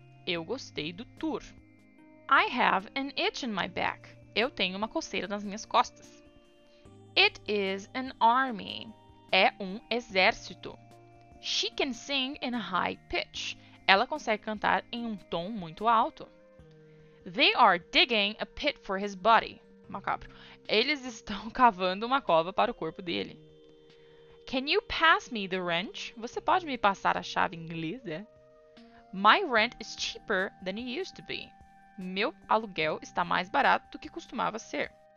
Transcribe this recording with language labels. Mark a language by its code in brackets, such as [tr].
[pt] Eu gostei do tour. [en] I have an itch in my back. [pt] Eu tenho uma coceira nas minhas costas. [en] It is an army. [pt] É um exército. [en] She can sing in high pitch. [pt] Ela consegue cantar em um tom muito alto. [en] They are digging a pit for his body. [pt] Macabro. Eles estão cavando uma cova para o corpo dele. [en] Can you pass me the wrench? [pt] Você pode me passar a chave inglesa? [en] My rent is cheaper than it used to be. [pt] Meu aluguel está mais barato do que costumava ser.